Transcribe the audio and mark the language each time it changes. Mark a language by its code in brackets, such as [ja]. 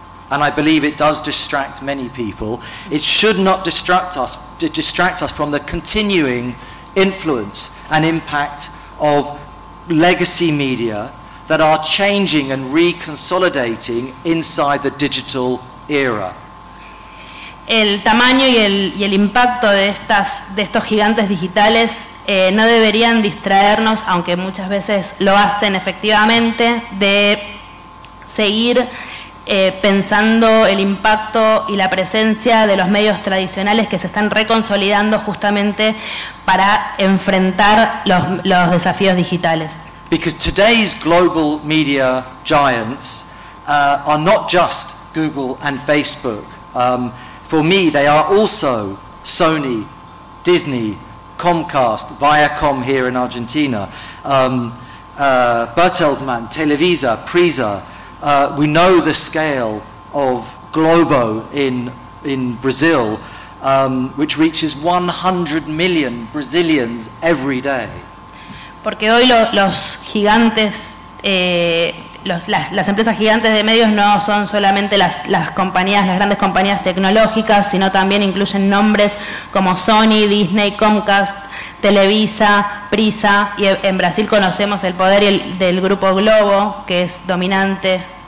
[en] And I believe it does distract many people. It should not distract us from the continuing influence and impact of legacy media that are changing and reconsolidating inside the digital era. [es] El tamaño y el impacto de estos gigantes digitales no deberían distraernos, aunque muchas veces lo hacen efectivamente, de seguir pensando el impacto y la presencia de los medios tradicionales que se están reconsolidando justamente para enfrentar los desafíos digitales. [en] Because today's global media giants are not just Google and Facebook. For me, they are also Sony, Disney, Comcast, Viacom here in Argentina, Bertelsmann, Televisa, Prisa. We know the scale of Globo in Brazil, which reaches 100 million Brazilians every day. [es] Porque hoy los gigantes, las empresas gigantes de medios no son solamente las compañías, las grandes compañías tecnológicas, sino también incluyen nombres como Sony, Disney, Comcast, Televisa, Prisa, y en Brasil conocemos el poder del grupo Globo, que es dominante.